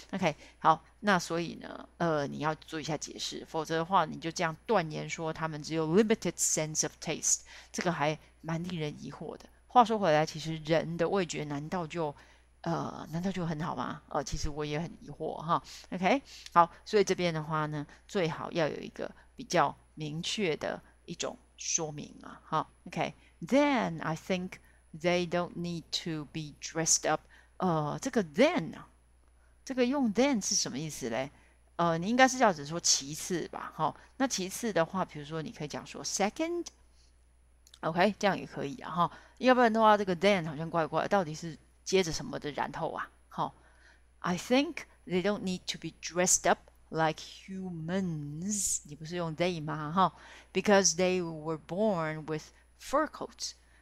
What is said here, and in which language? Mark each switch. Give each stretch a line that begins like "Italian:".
Chinese: OK，好，那所以呢，你要做一下解释，否则的话，你就这样断言说他们只有
English: limited sense of taste，
Chinese: 这个还蛮令人疑惑的。话说回来，其实人的味觉难道就很好吗？其实我也很疑惑哈。OK，好，所以这边的话呢，最好要有一个比较明确的一种说明啊。
English: 哈，OK，then I think they don't need to be dressed up。
Chinese: 这个 then 呢，这个用 then 是什么意思嘞？你应该是要只说其次吧，哈。那其次的话，比如说你可以讲说 second，OK，这样也可以啊，哈。要不然的话，这个 then 好像怪怪的，到底是接着什么的然后啊？
English: 哈，I think they don't need to be dressed up like humans。
Chinese: 你不是用 they 吗？
English: 哈，because they were born with fur coats。